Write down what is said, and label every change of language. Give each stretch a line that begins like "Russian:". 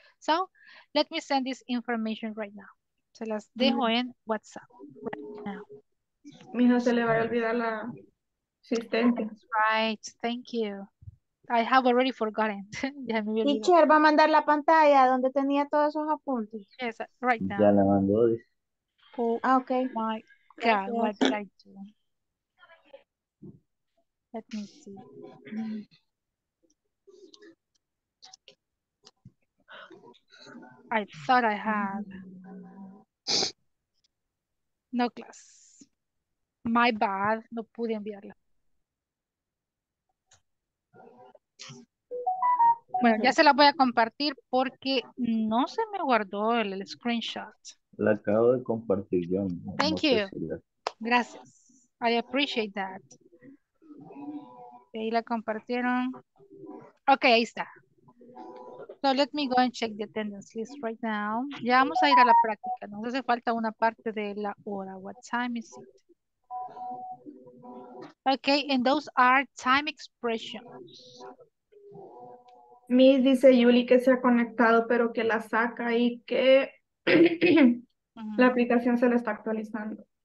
English: So, let me send this information right now.
Spanish: Se las dejo en WhatsApp.
English: Right now.
Spanish: Mi hija, se le va a olvidar la asistente.
English: Right, thank you. I have already forgotten.
Spanish: Ya me olvidé. Teacher, va a mandar la pantalla donde tenía todos esos apuntes.
English: Yes, right now.
Spanish: Ya la mandó.
English: Oh, ah, okay. My God, what did I do? Let me see. I thought I had no class. My bad,
Spanish: no pude enviarla. Bueno, ya se la voy a compartir porque no se me guardó el screenshot. La acabo de compartir yo.
English: Thank you.
Spanish: Gracias.
English: I appreciate that.
Spanish: Ahí la compartieron. Ok, ahí está.
English: So let me go and check the attendance list right now.
Spanish: Ya vamos a ir a la práctica. Nos hace falta una parte de la hora.
English: What time is it? Okay, and those are time expressions.
Spanish: Miss dice Yuli que se ha conectado, pero que la saca y que la aplicación se la está actualizando.